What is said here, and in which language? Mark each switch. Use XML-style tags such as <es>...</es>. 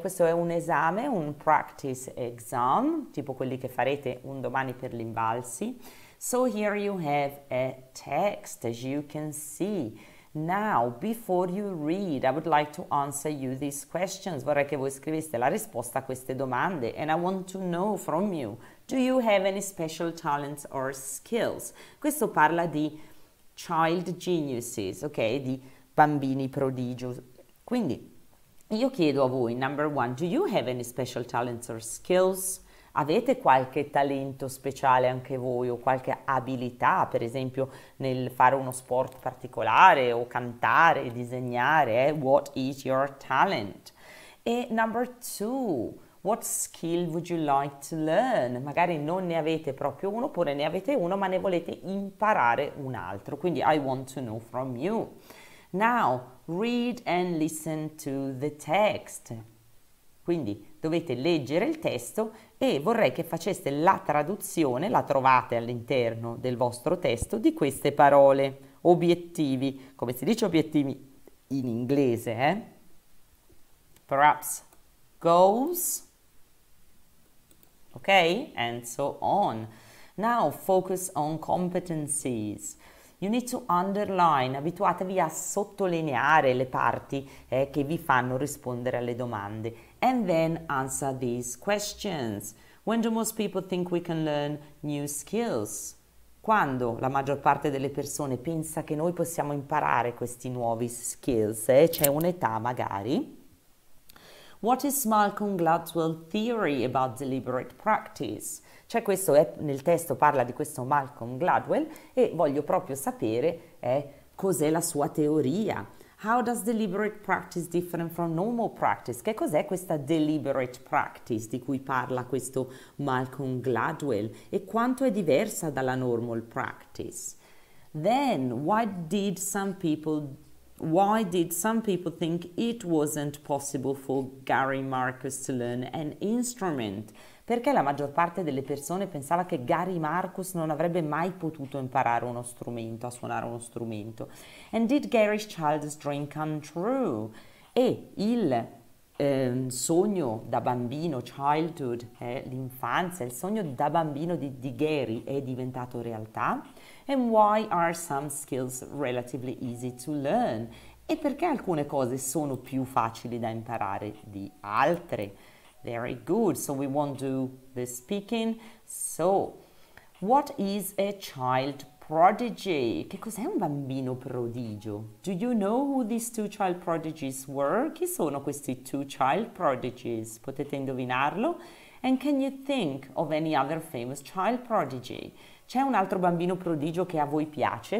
<it>Questo è un esame, un</it> <en>practice exam,</en> <it>tipo quelli che farete un domani per l'Invalsi.</it> <en>So here you have a text, as you can see. Now, before you read, I would like to answer you these questions.</en> <it>Vorrei che voi scriveste la risposta a queste domande.</it> <en>And I want to know from you, do you have any special talents or skills?</en> <it>Questo parla di</it> <en>child geniuses,</en> <it>ok? Di bambini prodigio. Quindi, io chiedo a voi,</it> <en>number one, do you have any special talents or skills?</en> <it>Avete qualche talento speciale anche voi o qualche abilità, per esempio, nel fare uno sport particolare o cantare, disegnare?</it> <en>What is your talent? E number two, what skill would you like to learn?</en> <it>Magari non ne avete proprio uno, oppure ne avete uno, ma ne volete imparare un altro.</it> <en>Quindi I want to know from you. Now, read and listen to the text.</en> <it>Quindi dovete leggere il testo e vorrei che faceste la traduzione, la trovate all'interno del vostro testo, di queste parole, obiettivi, come si dice obiettivi in inglese, eh?</it> <en>Perhaps goals, ok, and so on. Now focus on competencies. You need to underline,</en> <it>abituatevi a sottolineare le parti che vi fanno rispondere alle domande.</it> <en>And then answer these questions. When do most people think we can learn new skills?</en> <it>Quando la maggior parte delle persone pensa che noi possiamo imparare questi nuovi skills? C'è un'età magari.</it> <en>What is Malcolm Gladwell's theory about deliberate practice?</en> <it>Cioè questo è, nel testo parla di questo Malcolm Gladwell e voglio proprio sapere cos'è la sua teoria.</it> <en>How does deliberate practice differ from normal practice?</en> <it>Che cos'è questa deliberate practice di cui parla questo Malcolm Gladwell? E quanto è diversa dalla normal practice?</it> <en>Then, why did some people think it wasn't possible for Gary Marcus to learn an instrument?</en> <it>Perché la maggior parte delle persone pensava che Gary Marcus non avrebbe mai potuto imparare uno strumento, a suonare uno strumento?</it> <en>And did Gary's childhood dream come true?</en> <it>E il sogno da bambino, childhood, l'infanzia, il sogno da bambino di Gary è diventato realtà?</it> <en>And why are some skills relatively easy to learn?</en> <it>E perché alcune cose sono più facili da imparare di altre?</it> <en>Very good. So we won't do the speaking. So, what is a child prodigy?</en> <it>Che cos'è un bambino prodigio?</it> <en>Do you know who these two child prodigies were?</en> <it>Chi sono questi</it> <en>two child prodigies?</en> <it>Potete indovinarlo?</it> <en>And can you think of any other famous child prodigy?</en> <it>C'è un altro bambino prodigio che a voi piace?</it>